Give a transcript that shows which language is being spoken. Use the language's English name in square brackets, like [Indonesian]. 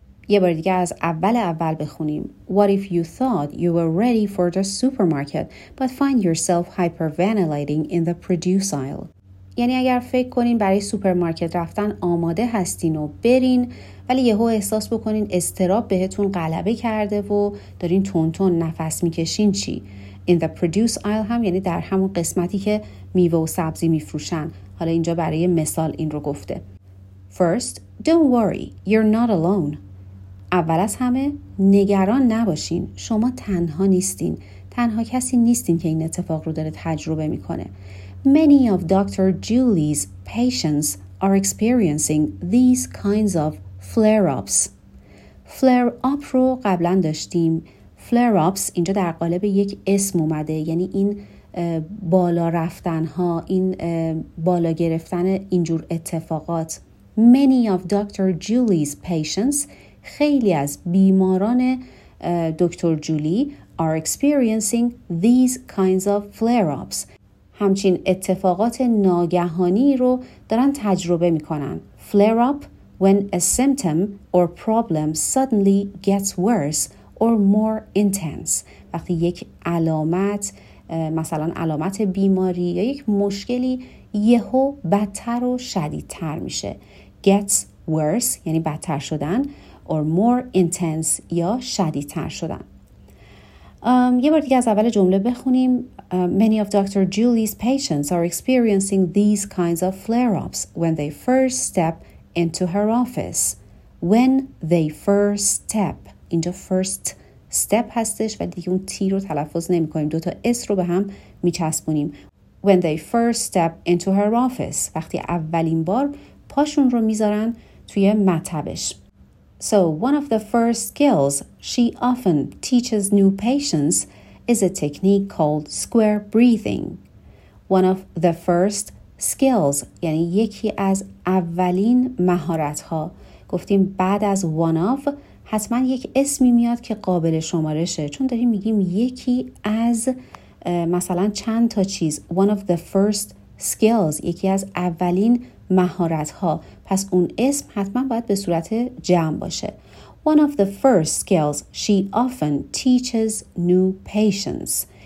[Persian] یه بار دیگه از اول بخونیم. [English] What if you thought you were ready for the supermarket but find yourself hyperventilating in the produce aisle؟ [Persian] یعنی اگر فکر کنین برای سوپرمارکت رفتن آماده هستین و برین، ولی یهو احساس بکنین استراب بهتون غلبه کرده و دارین تون نفس میکشین چی؟ [English] In the produce aisle [Persian] هم یعنی در همون قسمتی که میوه و سبزی میفروشن. حالا اینجا برای مثال این رو گفته. [English] First, don't worry, you're not alone. [Persian] اول از همه نگران نباشین، شما تنها نیستین، تنها کسی نیستین که این اتفاق رو داره تجربه میکنه. [English] Many of Dr. Julie's patients are experiencing these kinds of flare-ups. [Persian] Flare-up رو قبلا داشتیم. Flare-ups اینجا در قالب یک اسم اومده، یعنی این بالا رفتن‌ها، این بالا گرفتن اینجور اتفاقات. [English] Many of Dr. Julie's patients، [Persian] خیلی از بیماران دکتر جولی، [English] are experiencing these kinds of flare-ups، [Persian] همچین اتفاقات ناگهانی رو دارن تجربه میکنن. [English] Flare-up when a symptom or problem suddenly gets worse or more intense، [Persian] وقتی یک علامت، مثلا علامت بیماری یا یک مشکلی یهو بدتر و شدیدتر میشه. [English] gets worse [Persian] یعنی بدتر شدن، [English] or more intense [Persian] یا شدیدتر شدن. یه بار دیگه از اول جمله بخونیم. [English] Many of Dr. Julie's patients are experiencing these kinds of flare-ups when they first step into her office. When they first step. [Persian] اینجا first step هستش و دیگه اون تی رو تلفظ نمی کنیم. دوتا اس رو به هم می چسبونیم. [English] When they first step into her office. [Persian] وقتی اولین بار پاشون رو میذارن توی مطبش. [English] So one of the first skills she often teaches new patients is a technique called square breathing. [Persian] One of the first skills یعنی یکی از اولین مهارت‌ها. گفتیم بعد از one of حتما یک اسمی میاد که قابل شمارشه، چون داریم میگیم یکی از مثلا چند تا چیز. [English] One of the first skills [Persian] یکی از اولین مهارت‌ها، پس اون اسم حتما باید به صورت جمع باشه. [English] One of the first skills she often teaches new patients.